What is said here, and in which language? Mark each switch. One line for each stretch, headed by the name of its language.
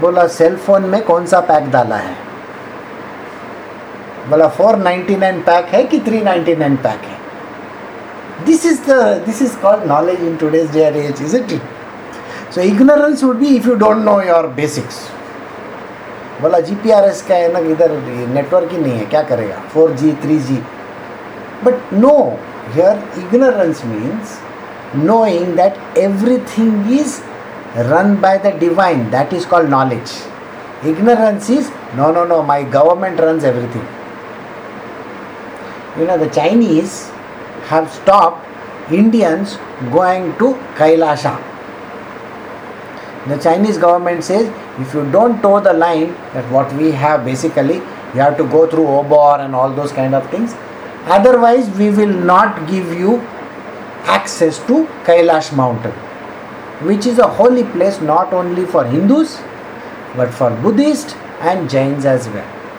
Hindi: Bola cell phone mein kaun sa pack dala hai? Bola 499 pack hai
English: ki 399 pack hai? This is called knowledge in today's day and age, isn't it? So ignorance would be if you don't know your basics.
Hindi: बोला G P R S का है ना इधर network ही नहीं है, क्या करेगा 4G 3G.
English: But no, here ignorance means knowing that everything is run by the divine, that is called knowledge. Ignorance is no my government run everything. You know the Chinese have stop Indians going to Kailasha. The Chinese government says, if you don't toe the line, that what we have basically, you have to go through Obor and all those kind of things. Otherwise, we will not give you access to Kailash Mountain, which is a holy place not only for Hindus, but for Buddhists and Jains as well.